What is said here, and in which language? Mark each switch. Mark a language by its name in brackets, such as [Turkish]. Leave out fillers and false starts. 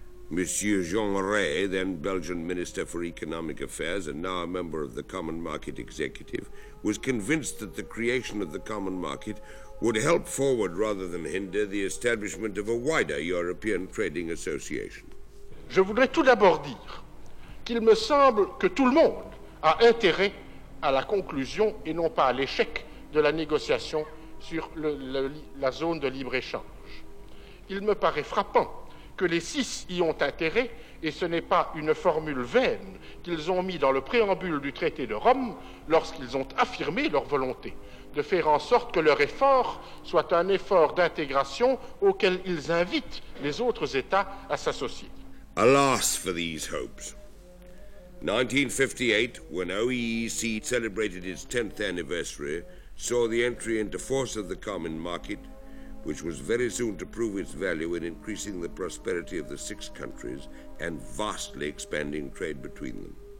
[English] Monsieur Jean Rey, then Belgian Minister for Economic Affairs and now a member of the Common Market Executive, was convinced that the creation of the Common Market would help forward rather than hinder the establishment of a wider European Trading Association. [French] Je voudrais tout d'abord dire qu'il me semble que tout le monde a intérêt à la conclusion et non pas à l'échec de la négociation sur la zone de libre-échange. Il me paraît frappant que les six y ont intérêt, et ce n'est pas une formule vaine qu'ils ont mis dans le préambule du traité de Rome lorsqu'ils ont affirmé leur volonté de faire en sorte que leur effort soit un effort d'intégration auquel ils invitent les autres États à s'associer. [English] Alas for these hopes. 1958, when OEEC celebrated its 10th anniversary, saw the entry into force of the common market, which was very soon to prove its value in increasing the prosperity of the six countries and vastly expanding trade between them.